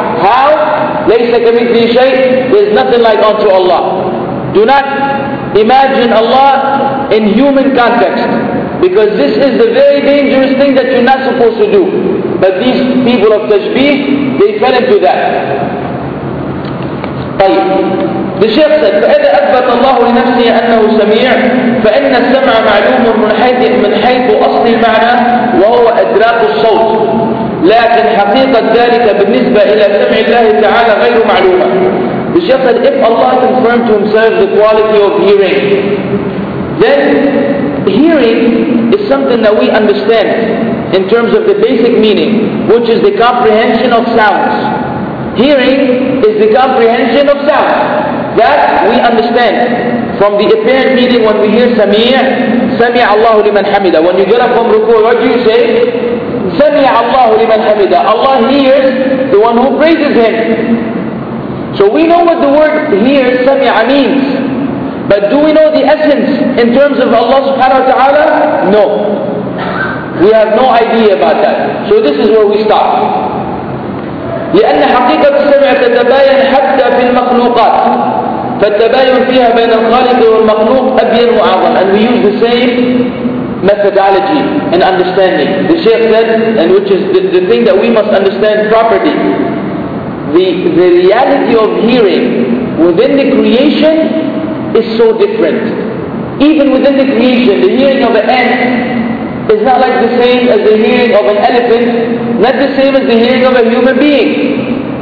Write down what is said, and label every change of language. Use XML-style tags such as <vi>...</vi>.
<en>How?</en> <ar>لَيْسَ كَمِثْلِهِ شَيْءٍ.</ar> <en>There's nothing like unto Allah. Do not imagine Allah in human context. Because this is the very dangerous thing that you're not supposed to do. But these people of Tashbih, they fell into that.</en> <ar>طيب.</ar> <en>The Shaykh said,</en> <ar>فَإِذَا أَثْبَتَ اللَّهُ لِنَفْسِهِ أَنَّهُ سَمِيعٌ فَإِنَّ السَّمْعَ مَعْلُومٌ مِنْ حَيْثُ أَصْلِ الْمَعْنَى وَهُوَ أَدْرَاكُ الصَّوْتِ لَكِنْ حَقِيقَ ذَلِكَ بِالنِّسْبَةِ إِلَى سَمْعِ اللَّهِ تَعَالَى غَيْرُ مَعْلُومَةٍ.</ar> <en>The Shaykh said, if Allah confirmed to himself the quality of hearing, then hearing is something that we understand in terms of the basic meaning, which is the comprehension of sounds. Hearing is the comprehension of sounds. That we understand from the apparent meaning when we hear Sami'a.</en> <ar>سمي الله لمن حمده.</ar> <en>When you get up from ركوع, what do you say?</en> <ar>سمي الله لمن حمده.</ar> <en>Allah hears the one who praises him. So we know what the word here سمي means. But do we know the essence in terms of Allah subhanahu wa ta'ala? No. We have no idea about that. So this is where we stop.</en> <ar>لأن حقيقة السمع تتباين حتى في المخلوقات فالتباين فيها بين الخالق والمخلوق أبين وأعظم.</ar> <en>And we use the same methodology in understanding. The Shaykh said, and which is the thing that we must understand properly, the reality of hearing within the creation is so different. Even within the creation, the hearing of an ant is not like the same as the hearing of an elephant, not the same as the hearing of a human being.</en>